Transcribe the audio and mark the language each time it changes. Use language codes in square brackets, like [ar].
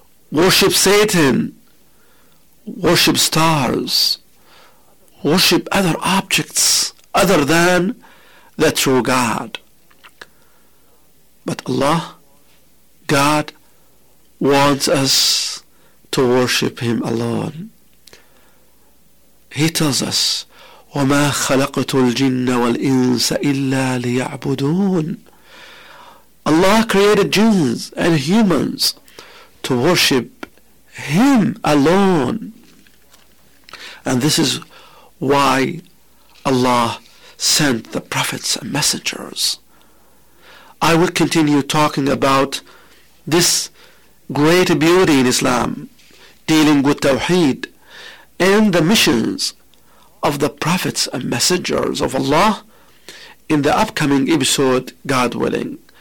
[en] Worship Satan. Worship stars. Worship other objects other than the true God. But Allah, God, wants us to worship Him alone. He tells us, [ar] وَمَا خَلَقْتُ الْجِنَّ وَالْإِنسَ إِلَّا لِيَعْبُدُونَ. [en] Allah created jinns and humans to worship Him alone. And this is why Allah sent the prophets and messengers. I will continue talking about this great beauty in Islam, dealing with Tawheed and the missions of the prophets and messengers of Allah in the upcoming episode, God willing.